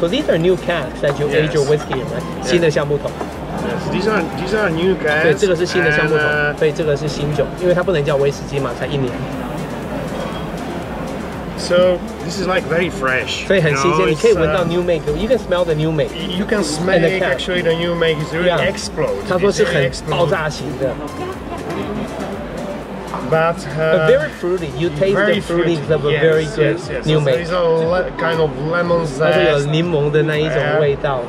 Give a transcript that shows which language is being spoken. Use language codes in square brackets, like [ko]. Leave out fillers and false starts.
[en] So these are new casks that you age your whiskey in, right? Yes. [zh] 新的橡木桶。 [en] These are new casks. [zh] 对，这个是新的橡木桶。对，这个是新酒，因为它不能叫威士忌嘛，才一年。 [en] So this is like very fresh. [zh] 所以很新鲜，你可以闻到 [en] new make. You can smell the new make. You can smell actually the new make is really explode. [zh] 他说是很爆炸型的。 [en] But very fruity. You taste the fruitiness of a very good new make. There's a kind of lemon zest. [zh] 它是有柠檬的那一种味道。